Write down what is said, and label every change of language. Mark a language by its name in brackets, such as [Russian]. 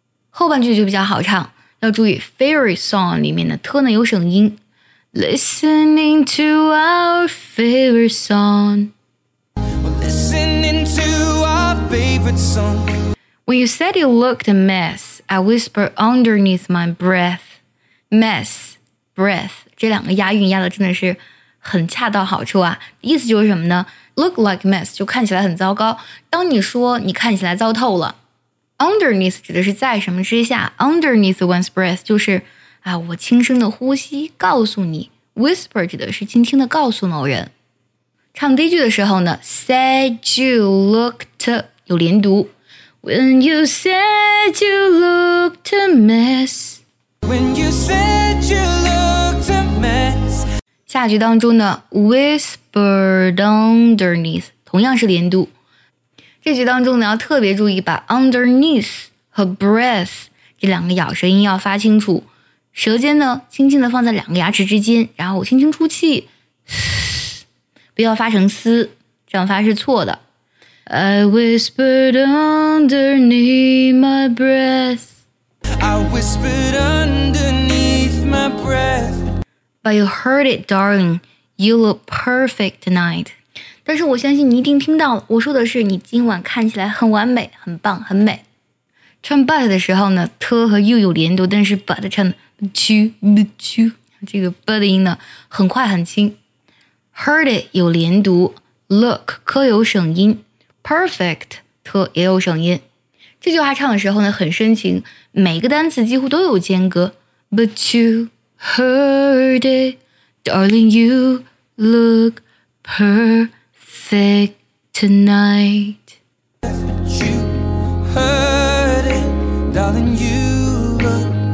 [Chinese] 后半句就比较好唱要注意 favorite song 里面的特呢有省音 [English] Listening to our favorite song Listening to our favorite song When you said you looked a mess I whispered underneath my breath [Chinese] Mess, breath 这两个押韵押的真的是很恰到好处啊意思就是什么呢 [English] Look like mess [Chinese] 就看起来很糟糕当你说你看起来糟透了 underneath 指的是在什么之下 [English] underneath one's breath [Chinese] 就是啊，我轻声的呼吸告诉你 whisper 指的是轻轻的告诉某人唱第一句的时候呢 said you looked 有连读 [English] when you said you looked a mess when you said you looked a mess [Chinese] 下句当中呢 whispered underneath 同样是连读这句当中呢要特别注意把 underneath 和 breath 这两个咬舌音要发清楚舌尖呢轻轻地放在两个牙齿之间然后轻轻出气不要发成嘶这样发是错的 [English] I whispered underneath my breath I whispered underneath my breath But you heard it darling You look perfect tonight [Chinese] 但是我相信你一定听到了我说的是你今晚看起来很完美很棒很美唱 but 的时候呢 t 和 you 有连读但是 but 唱这个 but 的音呢很快很轻Heard it 有连读 ，look 科有省音 ，perfect 特也有省音。这句话唱的时候呢，很深情，每个单词几乎都有间隔。 [English] But you heard it, darling, you look perfect tonight. But you heard it, darling, you.